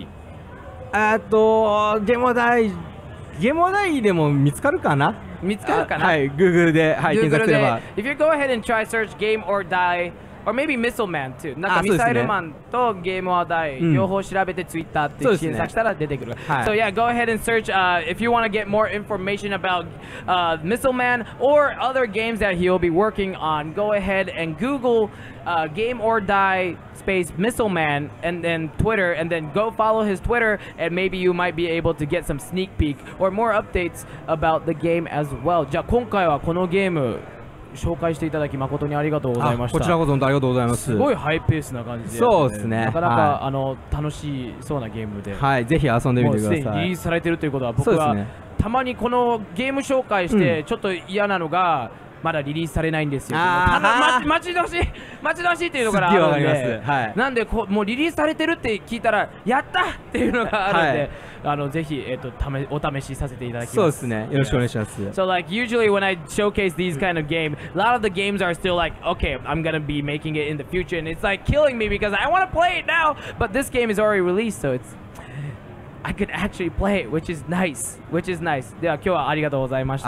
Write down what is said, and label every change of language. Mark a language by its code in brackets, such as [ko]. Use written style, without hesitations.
[ja] ゲームはダイ、ゲームはダイでも見つかるかな、見つかるかな、はい、Google で、はい、検索すれば。 [en] If you go ahead and try search game or die or maybe missile man too、 [ja] なんかミサイルマンとゲームは die、ね、両方調べてツイッターって検索したら出てくる、ね、はい、 [en] So yeah, go ahead and search、if you want to get more information about、missile man or other games that he'll be working on, go ahead and Google、game or die space missile man and then Twitter and then go follow his Twitter and maybe you might be able to get some sneak peek or more updates about the game as well. [ja] じゃあ今回はこのゲーム紹介していただき誠にありがとうございました。こちらこそ本当ありがとうございます。すごいハイペースな感じで、ね、そうですね、なかなか、はい、あの楽しそうなゲームで、はい、ぜひ遊んでみてください。もうすでにリリースされてるということは、僕はたまにこのゲーム紹介してちょっと嫌なのが、うん、まだリリースされないんですよ。あ、待ち遠しい、待ち遠しいっていうのがあるんで、はい、なんでこもうリリースされてるって聞いたらやったっていうのがあるんで、はい、ぜひ、お試しさせていただきます。そうですね、よろしくお願いします。 [en] So like usually when I showcase these kind of game, a lot of the games are still like, okay, I'm gonna be making it in the future and it's like killing me because I wanna play it now, but this game is already released, so it's I could actually play it, which is nice, which is nice. [ja] では今日はありがとうございました。